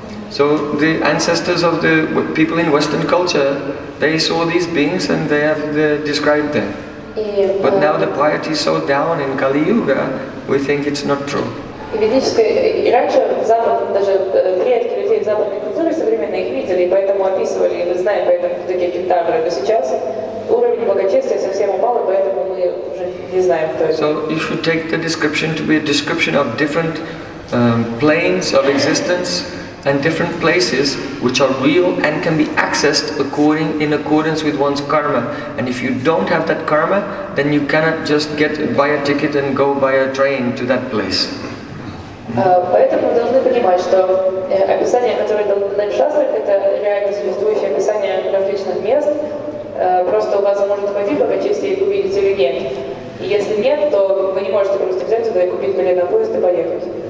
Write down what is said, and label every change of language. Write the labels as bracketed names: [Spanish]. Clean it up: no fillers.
[English] So the ancestors of the people in Western culture, they saw these beings and they have described them. But now the piety is so down in Kali Yuga, we think it's not true. [Russian] И раньше в западном, даже предки людей в западной культуре современной их видели, и поэтому описывали, и мы знаем, поэтому такие кентавры. Но сейчас уровень благочестия совсем упал, и поэтому мы уже не знаем, кто это. [English] So you should take the description to be a description of different planes of existence and different places which are real and can be accessed in accordance with one's karma. And if you don't have that karma, then you cannot just buy a ticket and go by a train to that place. [Russian] Поэтому мы должны понимать, что описание, которое дано в шастрах, это реально существующее описание различных мест. Просто у вас может хватить благочестия и увидеть или нет. И если нет, то вы не можете просто взять туда и купить билет на поезд и поехать.